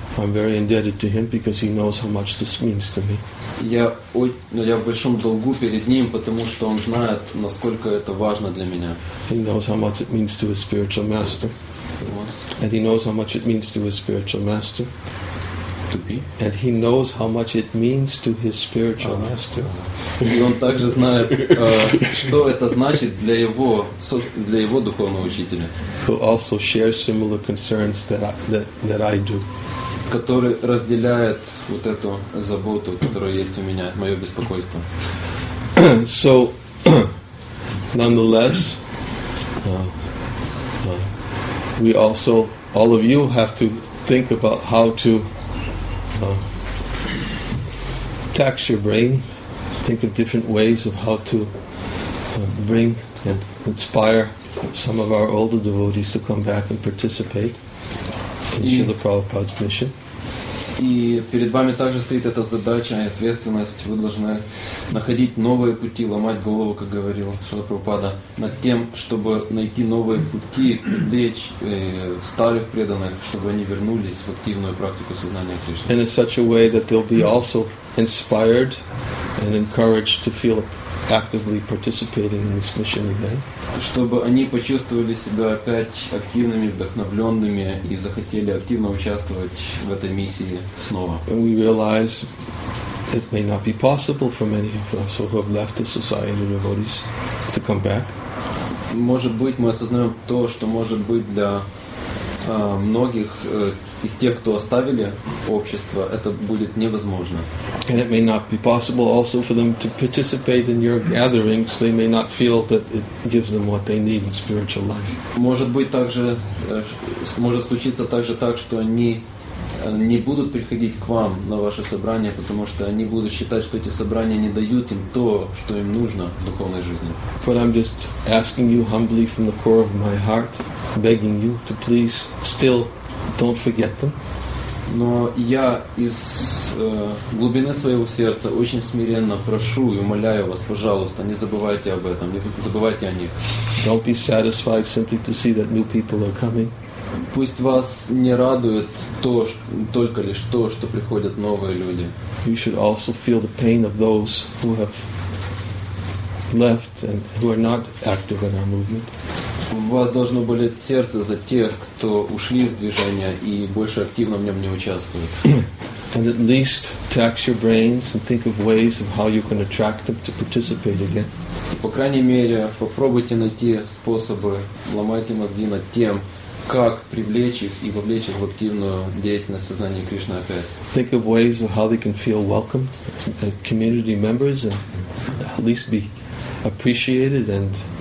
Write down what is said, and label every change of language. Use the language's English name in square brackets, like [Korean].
[English] I'm very indebted to him because he knows how much this means to me. [Russian] Я в большом долгу перед ним, потому что он знает, насколько это важно для меня. [English] He knows how much it means to his spiritual master. And he knows how much it means to his spiritual master. To be. And he knows how much it means to his spiritual master. [Russian] И он также знает, что это значит для его духовного учителя. [English] Who also shares similar concerns that I do. [Russian] Который разделяет вот эту заботу, которая есть у меня, мое беспокойство. [English] So, nonetheless. We also, all of you, have to think about how to tax your brain. Think of different ways of how to bring and inspire some of our older devotees to come back and participate in Śrīla Prabhupāda's mission. [Russian] И перед вами также стоит эта задача и ответственность. Вы должны находить новые пути, ломать голову, как говорил Шрила Прабхупада, над тем, чтобы найти новые пути, привлечь старых преданных, чтобы они вернулись в активную практику сознания Кришны. [English] And in such a way that they'll be also inspired and encouraged to feel actively participating in this mission again. [Russian] Чтобы они почувствовали себя опять активными, вдохновленными и захотели активно участвовать в этой миссии снова. [English] And we realize it may not be possible for many of us who have left the society of devotees to come back. [Russian] Может быть, мы осознаем то, что может быть для многих из тех, кто оставили общество, это будет невозможно. [English] And it may not be possible also for them to participate in your gatherings. They may not feel that it gives them what they need in spiritual life. [Russian] Может быть также, может случиться также так, что они не будут приходить к вам на ваше собрание, потому что они будут считать, что эти собрания не дают им то, что им нужно в духовной жизни. [English] But I'm just asking you humbly from the core of my heart, begging you to please still don't forget them. [Russian] Но я из глубины своего сердца очень смиренно прошу и умоляю вас, пожалуйста, не забывайте об этом, не забывайте о них. [English] Don't be satisfied simply to see that new people are coming. [Russian] Пусть вас не радует только лишь то, что приходят новые люди. [English] You should also feel the pain of those who have left and who are not active in our movement. [Russian] У вас должно болеть сердце за тех, кто ушли из движения и больше активно в нем не участвуют. [English] And at least tax your brains and think of ways of how you can attract them to participate again. [Russian] По крайней мере, попробуйте найти способы, ломайте мозги над тем, как привлечь их и вовлечь их в активную деятельность сознания Кришны опять. [English] Think of ways of how they can feel welcome as community members and at least be appreciated and